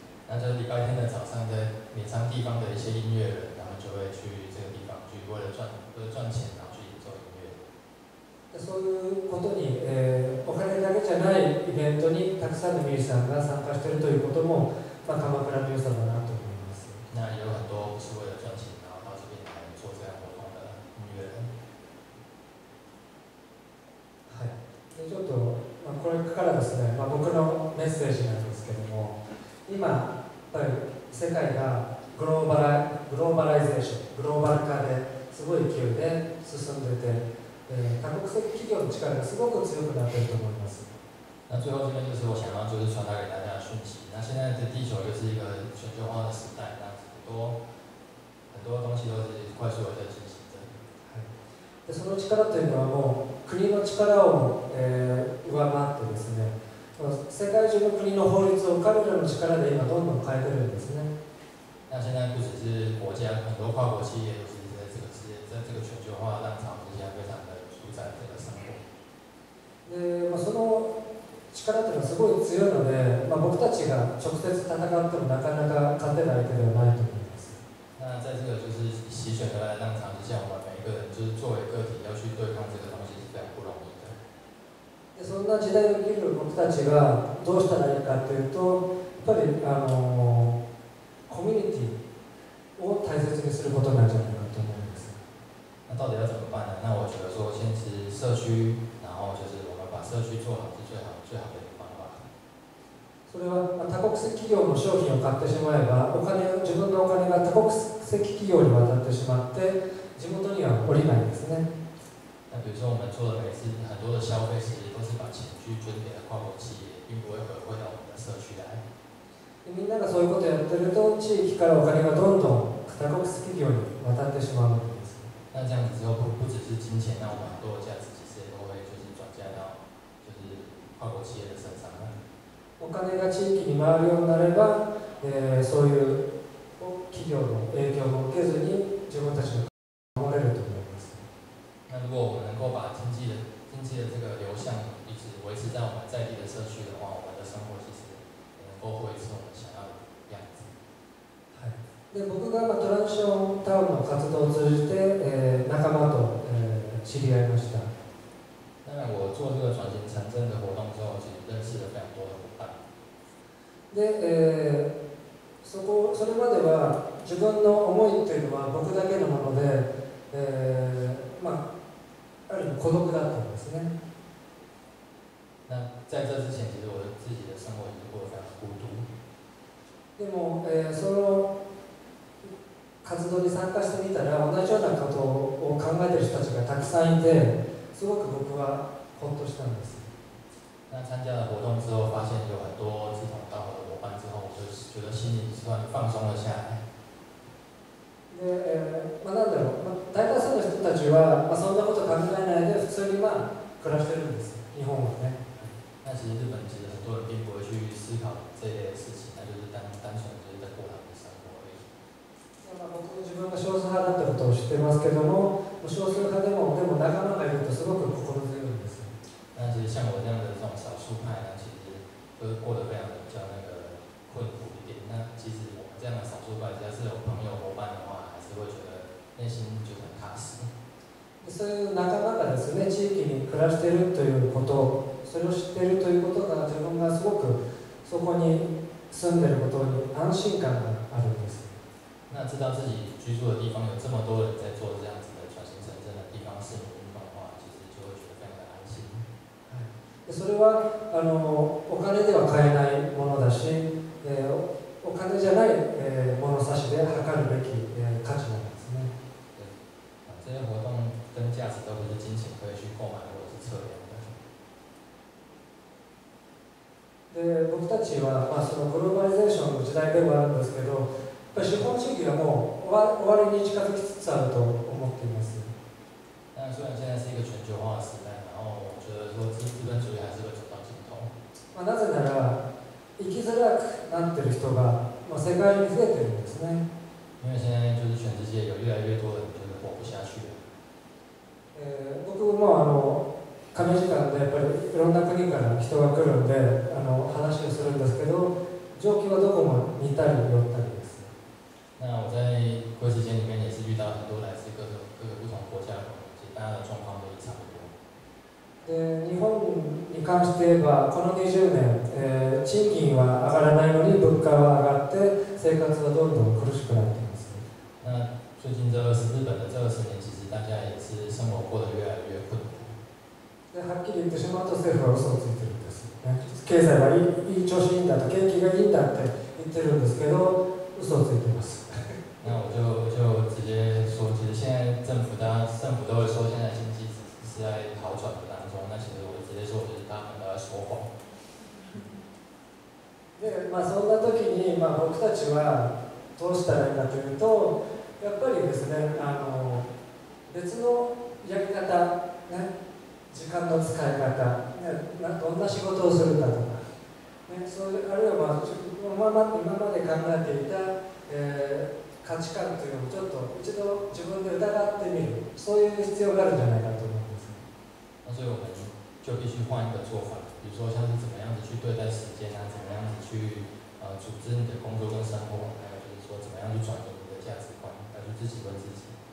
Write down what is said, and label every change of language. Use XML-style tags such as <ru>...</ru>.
<zh>那就礼拜天的早上在闽南地方的一些音乐人，然后就会去这个地方去为了赚，为了赚钱，然后去做音乐。</zh> <ja>そういうことに、お金だけじゃないイベントにたくさんのミュージシャンが参加しているということも、鎌倉の良さだなと思います。</ja> <zh>那也有很多不是为了赚钱，然后到这边来做这样活动的音乐人。</zh> <ja>はい。でちょっとこれからですね、僕のメッセージなんですけども、今やっぱり。世界がグローバライゼーション、グローバル化ですごい勢いで進んでいて、多国籍企業の力がすごく強くなっていると思います。</ja> <zh>那最後这边就是我想要就是传达给大家的讯息。那现在的地球又是一个全球化的时代，那很多东西都是快速的进行的。</zh> <ja>で、その力というのはもう国の力を、上回ってですね。世界中の国の法律を彼らの力で今どんどん変えてるんですね。</ja> <zh>那现在不只是国家，很多跨国企业都是在这个世界，在这个全球化浪潮之下，非常的主宰这个生活。</zh> <ja>で、その力というのはすごい強いので、僕たちが直接戦ってもなかなか勝てない相手ではないと思います。</ja> <zh>那在这个就是席卷而来的浪潮之下，我们每一个人就是作为个体要去对抗这个东西是非常不容易的。</zh> <ja>で、そんな時代を生きる僕たちがどうしたらいいかというと、やっぱりコミュニティを大切にすることなんじゃないかと思います。</ja> <zh>那到底要怎么办呢？那我觉得说，先是社区，然后就是我们把社区做好是最好的一个方法。</zh> <ja>それは多国籍企業の商品を買ってしまえば、お金を自分のお金が多国籍企業に渡ってしまって、地元には降りないんですね。</ja> <zh>那比如说我们做的每次很多的消费，其实都是把钱去捐给了跨国企业，并不会回馈到我们的社区来。</zh> <ja>みんながそういうことをやってると、地域からお金がどんどん多国籍企業に渡ってしまうんです。</ja> <zh>那这样子之后不只是金钱，那我们很多的价值其实都会就是转嫁到就是跨国企业的身上。</zh> <ja>お金が地域に回るようになれば、そういう企業の影響を受けずに自分たちの守れると思います。</ja> <zh>那如果我们能够把经济的这个流向一直维持在我们在地的社区的话，我们的生活其实也能够回是我们想要的样子。</zh> <ja>で、僕がトランジションタウンの活動を通じて、仲間と、知り合いました。</ja> <zh>当然，我做这个转型城镇的活动之后，其实认识了非常多的伙伴。</zh> <ja>で、それまでは自分の思いというのは僕だけのもので、ある意味孤独だったんですね。</ja> <zh>那在这之前，其实我自己的生活已经过得非常孤独。</zh> <ja>でも、その活動に参加してみたら、同じようなことを考えている人たちがたくさんいて、すごく僕はほっとしたんです。</ja> <zh>那参加了活动之后，发现有很多志同道合的伙伴之后，我就觉得心里算放松了下来。</zh> <ja>で、なんだろう、大多数の人たちは、そんなこと考えないで普通に暮らしてるんです。日本はね。</ja> <zh>那其实日本其实很多人并不会去思考这些事情，那就是单纯就是在过他们的生活而已。</zh> <ja>僕自分が少数派だったことを知ってますけども、少数派でも仲間がいるとすごく心強いんです。</ja> <zh>那其实像我这样的这种少数派呢，其实都过得非常的比较那个困苦一点。那其实我们这样的少数派，只要是有朋友伙伴的话，还是会觉得内心就很踏实。</zh> <ja>そういう仲間がですね、地域に暮らしているということ、それを知っているということが自分がすごくそこに住んでいることに安心感があるんです。</ja> <zh>那知道自己居住的地方有这么多人在做这样子的转型城镇的地方事业的话，其实就会觉得非常的安心。</zh> <ja>それはお金では買えないものだし、お金じゃない物差しで測るべき価値なんですね。</ja> <zh>这些活动跟价值都不是金钱可以去购买或者是测量的。</zh> <ja>で、僕たちはそのグローバリゼーションの時代でもあるんですけど、やっぱり資本主義はもう終わりに近づきつつあると思っています。</ja> <zh>但虽然现在是一个全球化的时代，然后我觉得说资本主义还是会走到尽头。</zh> <ja>なぜなら生きづらくなってる人が世界に増えてるんですね。</ja> <zh>因为现在就是全世界有越来越多的人就是活不下去了。</zh> <ja>僕も仮眠時間でやっぱりいろんな国から人が来るんで話をするんですけど、状況はどこも似たり寄ったりです。</ja> <zh>那我在国际间里面也是遇到很多来自各个不同国家的朋友，大家的状况都差不多。</zh> <ja>で、日本に関して言えばこの20年、賃金は上がらないのに物価は上がって生活はどんどん苦しくなっています。</ja> <zh>那最近这是日本的这20年。大家也是生活过得越来越困苦。</zh> <ja>で、はっきり言ってしまうと政府は嘘をついてるんです。経済はいい調子いいんだと、景気がいいんだって言ってるんですけど、嘘をついてます。</ja> <zh>那我就直接说，其实现在政府都会说现在经济是在好转的当中，那其实我直接说就是他们都在说谎。</zh> <ja>で、そんな時に僕たちはどうしたらいいかというと、やっぱりですね、別のやり方、ね、時間の使い方、ね、どんな仕事をするんだとか、ね、そういうあるいは今まで考えていた、価値観というのをちょっと一度自分で疑ってみる、そういう必要があるんじゃないかと思うんです。</ja> <zh>那所以我们就必须换一个做法，比如说像是怎么样子去对待时间啊，怎么样子去组织你的工作跟生活，还有就是说怎么样去转变你的价值观，来去自己问自己。</zh>